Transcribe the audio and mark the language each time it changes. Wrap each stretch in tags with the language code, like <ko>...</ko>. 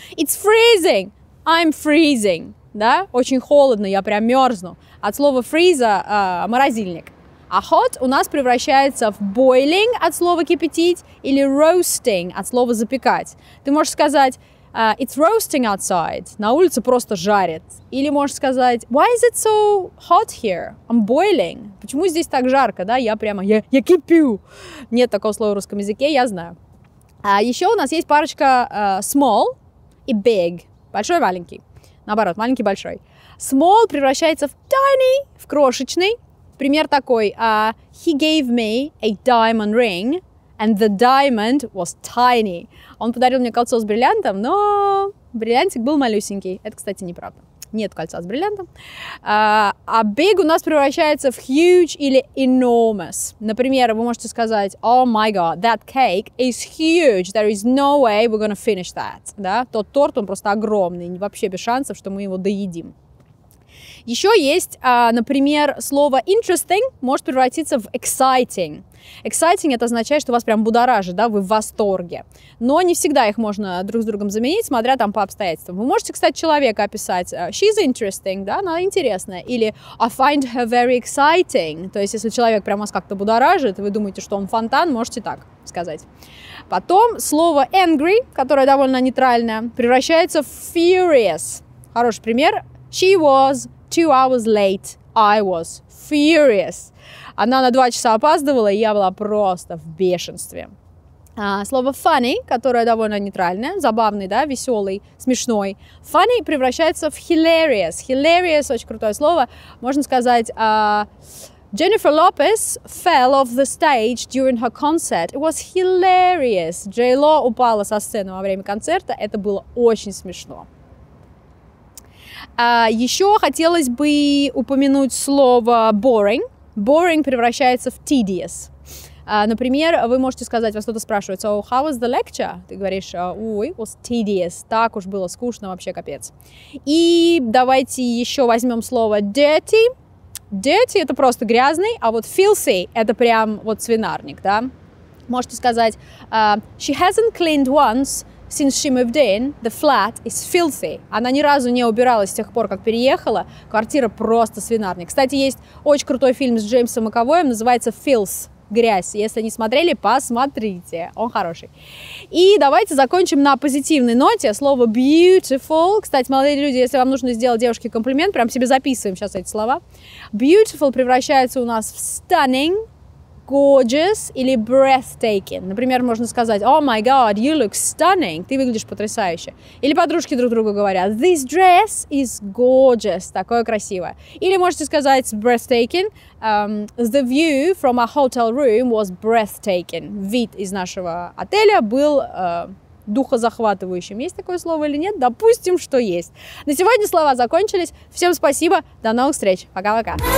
<en>It's freezing. I'm freezing.</en> <ru>Да? Очень холодно, я прям мерзну. От слова freezer – морозильник. А hot у нас превращается в boiling от слова кипятить или roasting от слова запекать. Ты можешь сказать</ru> <en>it's roasting outside.</en> <ru>На улице просто жарит. Или можешь сказать,</ru> <en>why is it so hot here? I'm boiling.</en> <ru>Почему здесь так жарко, да? Я прямо, я кипю. Нет такого слова в русском языке, я знаю. А еще у нас есть парочка small и big. Большой, маленький. Наоборот, маленький, большой. Small превращается в tiny, в крошечный. Пример такой.</ru> <en>He gave me a diamond ring. And the diamond was tiny.</en> <ru>Он подарил мне кольцо с бриллиантом, но бриллиантик был малюсенький. Это, кстати, неправда. Нет кольца с бриллиантом. А big у нас превращается в huge или enormous. Например, вы можете сказать,</ru> <en>oh my god, that cake is huge. There is no way we're gonna finish that.</en> <ru>Да? Тот торт, он просто огромный. Вообще без шансов, что мы его доедим. Еще есть, например, слово interesting может превратиться в exciting. Exciting – это означает, что вас прям будоражит, да, вы в восторге. Но не всегда их можно друг с другом заменить, смотря там по обстоятельствам. Вы можете, кстати, человека описать</ru> <en>she's interesting,</en> <ru>да, она интересная.</ru> <en>Или I find her very exciting.</en> <ru>То есть, если человек прям вас как-то будоражит, и вы думаете, что он фонтан, можете так сказать. Потом слово angry, которое довольно нейтральное, превращается в furious. Хороший пример.</ru> <en>She was 2 hours late. I was furious.</en> <ru>Она на 2 часа опаздывала, и я была просто в бешенстве. Слово funny, которое довольно нейтральное, забавный, да, веселый, смешной. Funny превращается в hilarious. Hilarious – очень крутое слово. Можно сказать,</ru> <en>Jennifer Lopez fell off the stage during her concert. It was hilarious.</en> <ru>J-Lo упала со сцены во время концерта. Это было очень смешно. Еще хотелось бы упомянуть слово boring. Boring превращается в tedious. Например, вы можете сказать, вас кто-то спрашивает,</ru> <en>so how was the lecture?</en> <ru>Ты говоришь,</ru> <en>it was tedious.</en> <ru>Так уж было скучно, вообще капец. И давайте еще возьмем слово dirty. Dirty – это просто грязный, а вот filthy – это прям вот свинарник, да? Можете сказать,</ru> <en>she hasn't cleaned once. Since she moved in, the flat is filthy.</en> <ru>Она ни разу не убиралась с тех пор, как переехала. Квартира просто свинарник. Кстати, есть очень крутой фильм с Джеймсом Макэвоем, называется «Filth» – «Грязь». Если не смотрели, посмотрите. Он хороший. И давайте закончим на позитивной ноте. Слово «beautiful». Кстати, молодые люди, если вам нужно сделать девушке комплимент, прям себе записываем сейчас эти слова. «Beautiful» превращается у нас в «stunning».</ru> <en>Gorgeous или breathtaking.</en> <ru>Например, можно сказать,</ru> <en>oh my god, you look stunning.</en> <ru>Ты выглядишь потрясающе. Или подружки друг другу говорят,</ru> <en>this dress is gorgeous.</en> <ru>Такое красивое. Или можете сказать breathtaking.</ru> <en>The view from our hotel room was breathtaking.</en> <ru>Вид из нашего отеля был духозахватывающим. Есть такое слово или нет? Допустим, что есть. На сегодня слова закончились. Всем спасибо. До новых встреч. Пока-пока.</ru>